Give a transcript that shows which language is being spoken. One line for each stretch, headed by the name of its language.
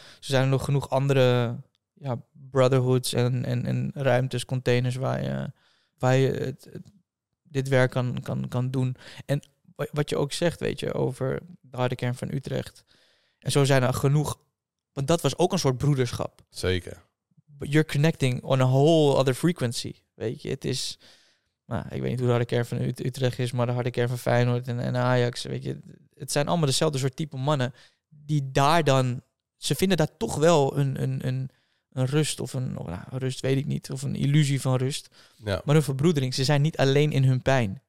Dutch: Zo zijn er nog genoeg andere brotherhoods en ruimtes, containers waar je dit werk kan doen. En wat je ook zegt, weet je, over de harde kern van Utrecht. En zo zijn er genoeg. Want dat was ook een soort broederschap. Zeker.
English: But you're connecting on a whole other frequency.
Dutch: Weet je, het is. Nou, ik weet niet hoe de harde kern van Utrecht is, maar de harde kern van Feyenoord en Ajax. Weet je, het zijn allemaal dezelfde soort type mannen. Die daar dan. Ze vinden daar toch wel een rust of een. Nou, rust weet ik niet. Of een illusie van rust. Ja. Maar een verbroedering. Ze zijn niet alleen in hun pijn.